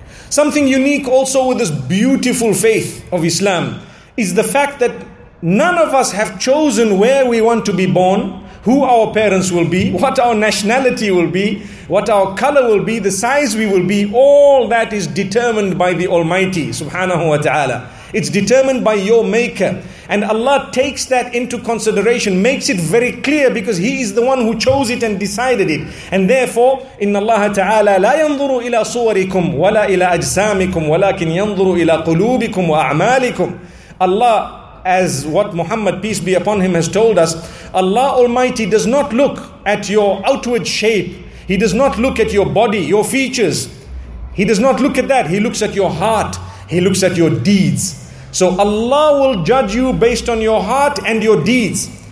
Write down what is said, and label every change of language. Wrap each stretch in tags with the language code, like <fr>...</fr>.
<en>Something unique also with this beautiful faith of Islam is the fact that none of us have chosen where we want to be born, who our parents will be, what our nationality will be, what our color will be, the size we will be. All that is determined by the Almighty, subhanahu wa ta'ala. It's determined by your Maker. And Allah takes that into consideration, makes it very clear because He is the one who chose it and decided it.</en> <ar>And therefore, إِنَّ اللَّهَ تَعَالَى لَا يَنْظُرُ إِلَىٰ صُوَرِكُمْ وَلَا إِلَىٰ أَجْسَامِكُمْ وَلَكِنْ يَنْظُرُ إِلَىٰ قُلُوبِكُمْ وَأَعْمَالِكُمْ.</ar> <en>Allah, as what Muhammad, peace be upon him, has told us, Allah Almighty does not look at your outward shape. He does not look at your body, your features. He does not look at that. He looks at your heart. He looks at your deeds. So Allah will judge you based on your heart and your deeds.</en>